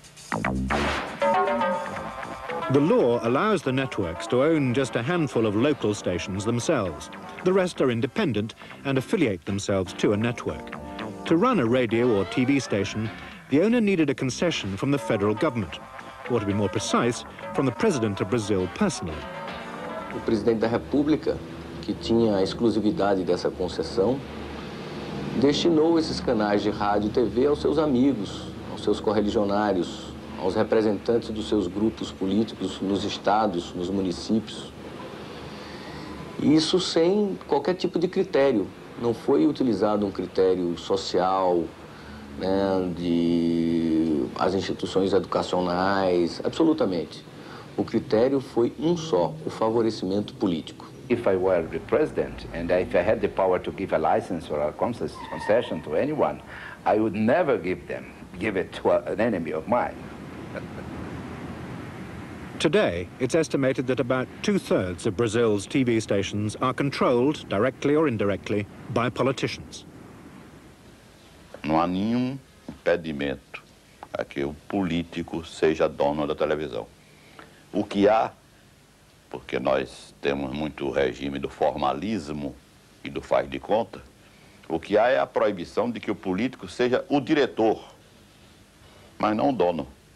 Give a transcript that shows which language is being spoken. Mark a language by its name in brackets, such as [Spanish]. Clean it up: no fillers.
[English] The law allows the networks to own just a handful of local stations themselves. The rest are independent and affiliate themselves to a network. To run a radio or TV station, the owner needed a concession from the federal government. Or to be more precise, from the president of Brazil personally. [Portuguese] O presidente da República, que tinha a exclusividade dessa concessão, destinou esses canais de rádio e TV aos seus amigos, aos seus correligionários, aos representantes dos seus grupos políticos nos estados, nos municípios. Isso sem qualquer tipo de critério. Não foi utilizado um critério social, né, de as instituições educacionais, absolutamente. O critério foi um só, o favorecimento político. [English] If I were the president and if I had the power to give a license or a concession to anyone, I would never give it to an enemy of mine. Today, it's estimated that about two-thirds of Brazil's TV stations are controlled, directly or indirectly, by politicians. [Portuguese] Não há nenhum impedimento a que o político seja dono da televisão. O que há, porque nós temos muito regime do formalismo e do faz de conta, o que há é a proibição de que o político seja o diretor, mas não o dono.